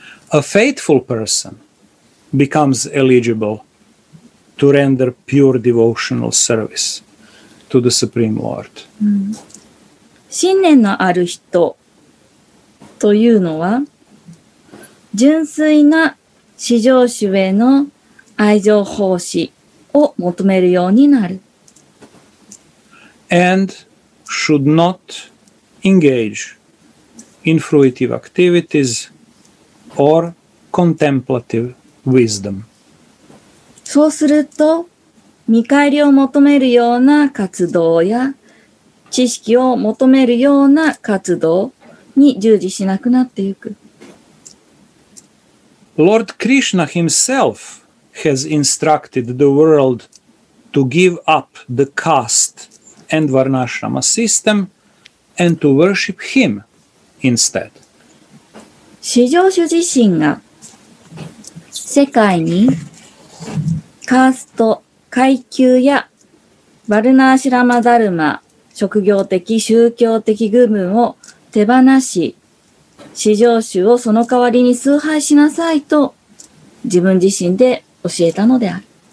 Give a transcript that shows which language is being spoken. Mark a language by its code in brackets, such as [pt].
[en] A faithful person becomes eligible to render pure devotional service to the Supreme Lord. [ja] 信念のある人というのは純粋な至上主への愛情奉仕を求めるようになる。 [en] And should not engage in fruitive activities or contemplative wisdom. [ja] そうすると、見返りを求めるような活動や、知識を求めるような活動に従事しなくなっていく。 [en] Lord Krishna himself has instructed the world to give up the caste and varnashrama system and to worship him instead. [ja] 至上主自身が世界にカースト、階級やヴァルナーシュラマダルマ、職業的、宗教的義務を手放し、至上主をその代わりに崇拝しなさいと自分自身で教えたのである。